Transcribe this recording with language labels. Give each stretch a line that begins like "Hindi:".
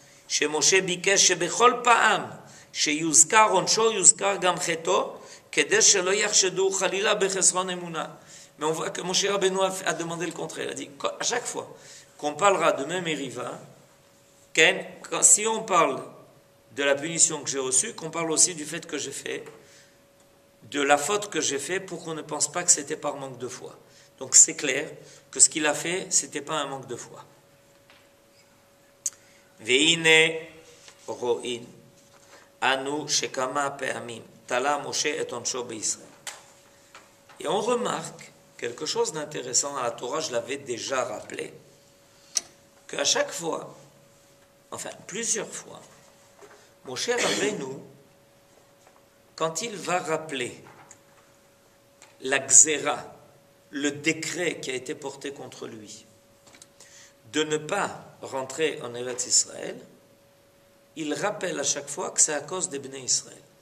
Hebrew: שמשה ביקש שבכל פעם שיוזכר עונשו יוזכר גם חטאו כדי שלא יחשדו חלילה בחסרון אמונה.
French: Mais on voit que Moshe Rabbeinu a demandé le contraire. Il a dit, à chaque fois qu'on parlera de mes mérivas, si on parle de la punition que j'ai reçue, qu'on parle aussi du fait que j'ai fait, de la faute que j'ai fait, pour qu'on ne pense pas que c'était par manque de foi. Donc c'est clair que ce qu'il a fait, ce n'était pas un manque de foi.
Hebrew: והנה רואים אנו שכמה פעמים תלה משה את עונשו בישראל.
French: Et on remarque quelque chose d'intéressant à la Torah, je l'avais déjà rappelé, qu'à chaque fois, enfin plusieurs fois, Moshe Rabbeinu, quand il va rappeler la gzera, le décret qui a été porté contre lui, de ne pas rentrer en Eretz Israël, il rappelle à chaque fois que c'est à cause des Bnei Israël.